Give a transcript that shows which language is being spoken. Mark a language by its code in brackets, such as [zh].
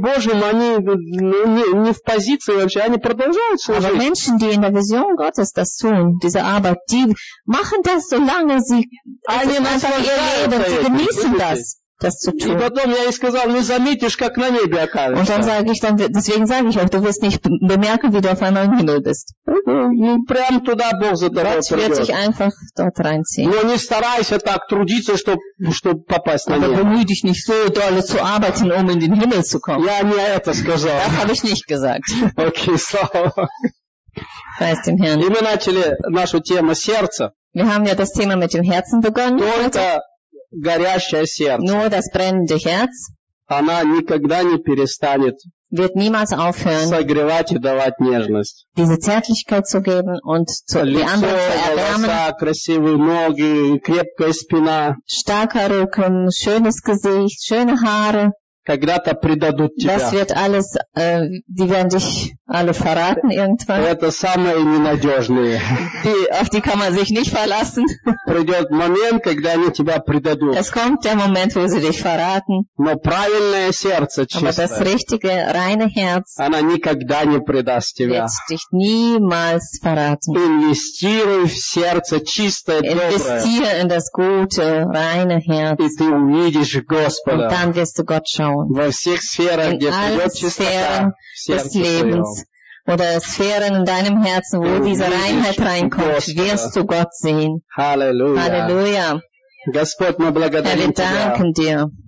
[de] Aber Menschen, die in der Vision Gottes das tun, diese Arbeit, die machen das, solange sie einfach ihr Leben, sie genießen das. Das zu tun. [ru] И потом я ей сказал, не заметишь, как на небе окажешься. [de] Und dann sage ich, deswegen sage ich auch, du wirst nicht bemerken, wie du auf einmal im Himmel bist. [ru] Ну, прям туда Бог за тобой придет. [de] Gott wird dich einfach dort reinziehen. [ru] Но не старайся так трудиться, чтоб попасть на небо. [de] Aber bemühe dich nicht so doll zu arbeiten, um in den Himmel zu kommen. [ru] Я не это сказал. [de] Das habe ich nicht gesagt. [ru] Okay, слава. [de] Weiß dem Herrn. [ru] И мы начали нашу тему сердца. [de] Wir haben ja das Thema mit dem Herzen begonnen. [ru] Только горящее сердце. [de] Nur das brennende Herz. [ru] Она никогда не перестанет. [de] Wird niemals aufhören. [ru] Согревать и давать нежность. [de] Diese Zärtlichkeit zu geben und die anderen zu erwärmen. [ru] Лицо, волоса, красивые ноги, крепкая спина. [de] Starker Rücken, schönes Gesicht, schöne Haare. [ru] Когда-то предадут тебя. [de] Das wird alles, die werden dich alle verraten irgendwann. [ru] Это самые ненадежные. [de] Auf die kann man sich nicht verlassen. [ru] Придет момент, когда они тебя предадут. [de] Es kommt der Moment, wo sie dich verraten. [ru] Но правильное сердце, чистое. [de] Aber das richtige, reine Herz. [ru] Она никогда не предаст тебя. [de] Wird dich niemals verraten. [ru] Инвестируй в сердце чистое, доброе. [de] Investier in das gute, reine Herz. [ru] И ты увидишь Господа. [de] Und dann wirst du Gott schauen. [ru] Во всех сферах, где придет чистота в сердце твоем. [de] Oder Sphären in deinem Herzen, wo diese Reinheit reinkommt, wirst du Gott sehen. Halleluja. Halleluja. [ru] Господь, мы благодарим [de] Тебя. Wir danken dir.